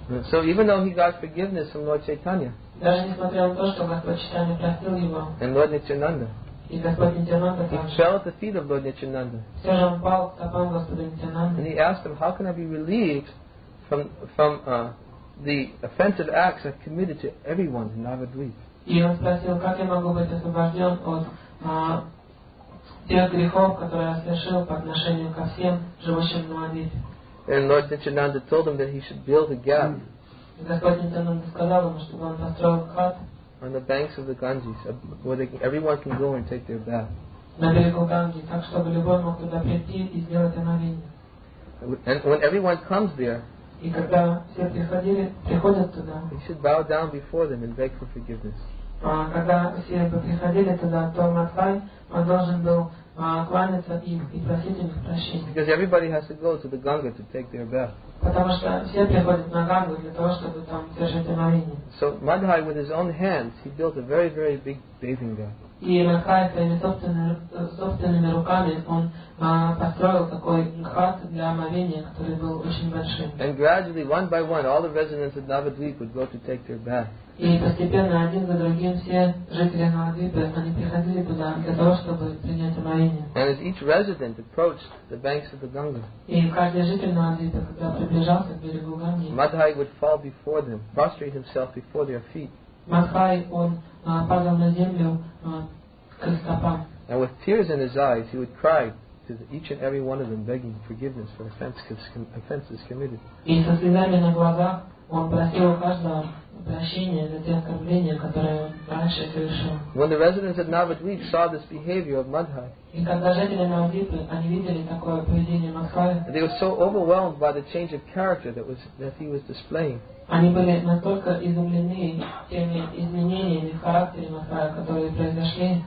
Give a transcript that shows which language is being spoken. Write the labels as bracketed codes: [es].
[en] So even though he got forgiveness from Lord Chaitanya and Lord Nityananda, he fell at the feet of Lord Nityananda and he asked him, how can I be relieved from the offensive acts I've committed to everyone in Navadvipa? [ru] И он спросил, как я могу быть освобожден от тех грехов, которые я совершил по отношению ко всем живущим в Навадвипе. [en] And Lord Nityananda told him that he should build a gap. [ru] И Господь Нитянанда сказал ему, чтобы он построил кат. [en] On the banks of the Ganges, where everyone can go and take their bath. [ru] На берегу Ганги, так чтобы любой мог туда прийти и сделать омовение. [en] And when everyone comes there, [ru] и когда все приходят туда, [en] he should bow down before them and beg for forgiveness. [ru] Когда все приходили туда, то Матхай должен был кланяться им и просить у них прощения. [en] Because everybody has to go to the Ganga to take their bath. [ru] Потому что все приходят на Гангу для того, чтобы там держать омовение. [en] So Madhai with his own hands he built a very very big bathing bath. [ru] И Матхай своими собственными руками он построил такой хат для омовения, который был очень большим. [en] And gradually, one by one, all the residents of Navadvipa would go to take their bath. [ru] И постепенно один за другим все жители Навадвипы они приходили туда для того, чтобы принять омовение. [en] And as each resident approached the banks of the Ganga, [ru] и каждый житель Навадвипы, когда приближался к берегу Ганги, [en] Madhai would fall before them, prostrate himself before their feet. [ru] Матхай, он падал на землю к стопам. [en] And with tears in his eyes, he would cry to each and every one of them, begging forgiveness for offenses committed. [ru] И со слезами на глазах он просил у каждого прощения за те оскорбления, которые он раньше совершил. [en] When the residents of Navadvip saw this behavior of Madhai, [ru] и когда жители Навадвипы, они видели такое поведение Матхая, [en] they were so overwhelmed by the change of character that he was displaying. [ru] Они были настолько изумлены теми изменениями в характере Матхая, которые произошли,